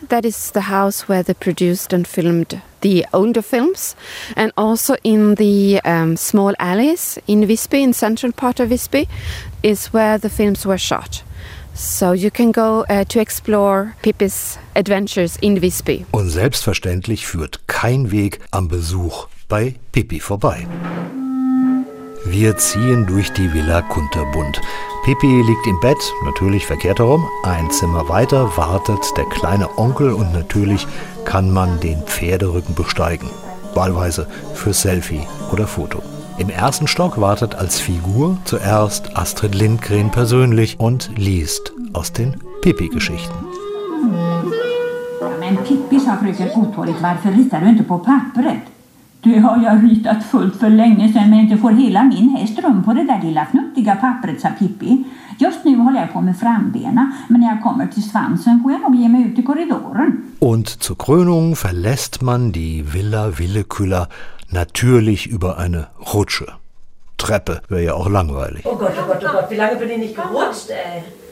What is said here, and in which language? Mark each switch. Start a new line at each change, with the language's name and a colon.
English: That is the house where they produced and filmed the older films. And also in the small alleys in Visby, in central part of Visby, is where the films were shot. So you can go to explore Pippi's adventures in Visby.
German: Und selbstverständlich führt kein Weg am Besuch bei Pippi vorbei. Wir ziehen durch die Villa Kunterbunt. Pippi liegt im Bett, natürlich verkehrt herum. Ein Zimmer weiter wartet der kleine Onkel und natürlich kann man den Pferderücken besteigen. Wahlweise für Selfie oder Foto. Im ersten Stock wartet als Figur zuerst Astrid Lindgren persönlich und liest aus den Pippi-Geschichten.
Swedish: Men Pippi, sa fröken otåligt, varför ritar du inte på pappret? Det har jag ritat fullt för länge sedan, men inte får hela min häst rum på det där lilla fnuttiga pappret, sa Pippi. Just nu håller jag på med frambena, men när jag kommer till svansen får jag nog ge mig ut i korridoren.
German: Und zur Krönung verlässt man die Villa Villekula natürlich über eine Rutsche. Treppe wäre ja auch langweilig. Oh Gott, wie lange bin ich nicht gerutscht, ey?